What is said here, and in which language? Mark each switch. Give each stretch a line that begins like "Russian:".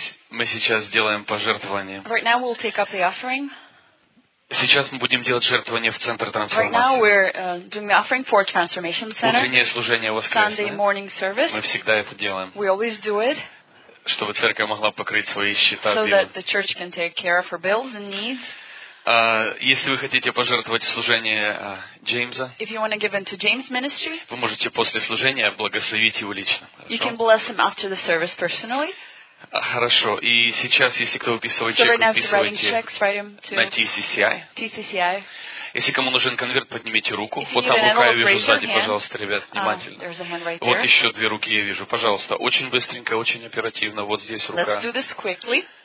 Russian: Мы сейчас сделаем пожертвование.
English: Right now we'll take up the offering.
Russian: Сейчас мы будем делать жертвование в центр трансформации.
English: Right now we're doing the offering for Transformation Center.
Russian: Утреннее служение воскресное.
English: Sunday morning service.
Russian: Мы всегда это делаем.
English: We always do it.
Russian: Чтобы церковь могла покрыть свои счета.
English: So that the church can take care of her bills and needs.
Russian: Если вы хотите пожертвовать в служение Джеймса,
English: if you want to give into James ministry,
Russian: вы можете после служения благословить его лично. Хорошо?
English: You can bless him after the service personally.
Russian: Хорошо. И сейчас, если кто выписывает чек, выписывайте на TCCI. Если кому нужен конверт, поднимите руку. Вот там рука, я вижу сзади, пожалуйста, ребят, внимательно. Вот еще две руки я вижу. Пожалуйста, очень быстренько, очень оперативно. Вот здесь рука.
English: Let's do this quickly.